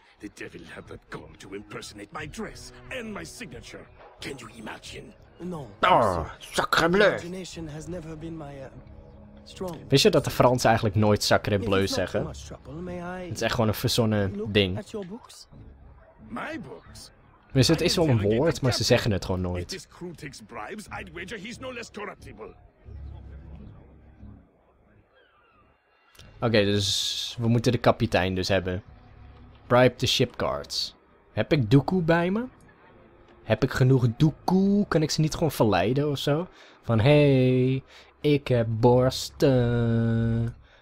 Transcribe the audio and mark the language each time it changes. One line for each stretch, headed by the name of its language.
English: The devil had that gong to impersonate my dress and my signature. Can you imagine? No.
French: Oh, sacre bleu.
English: Imagination has never been my strong.
Dutch: Wist je dat de Fransen eigenlijk nooit sacre bleu zeggen? Het is echt gewoon een verzonnen ding.
English: At your books? My books.
Dutch: Dus het is wel een woord, maar ze zeggen het gewoon nooit.
English: If this crew takes bribes, I'd wager he's no less corruptible.
Dutch: Oké, dus we moeten de kapitein dus hebben.
English: Bribe the ship guards.
Dutch: Heb ik Dooku bij me? Heb ik genoeg Dooku? Kan ik ze niet gewoon verleiden of zo? Van hey, ik heb borsten.